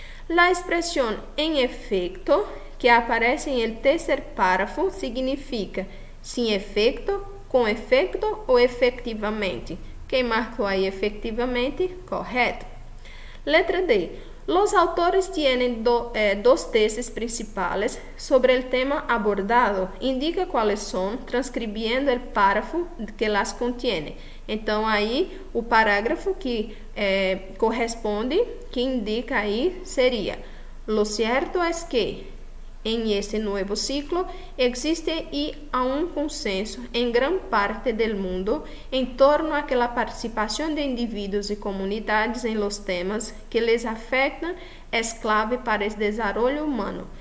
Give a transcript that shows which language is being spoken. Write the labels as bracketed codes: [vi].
[es] La expresión en efecto, que aparece en el tercer párrafo, significa sin efecto, com efecto ou efectivamente. [pt] Quem marcou aí efectivamente, correto. Letra D. [es] Los autores tienen dos tesis principales sobre el tema abordado. Indica cuáles son, transcribiendo el párrafo que las contiene. [pt] Então, aí, o parágrafo que corresponde, que indica aí, seria: [es] Lo cierto es que, en este nuevo ciclo, existe y aún consenso en gran parte del mundo en torno a que la participación de individuos y comunidades en los temas que les afectan es clave para el desarrollo humano.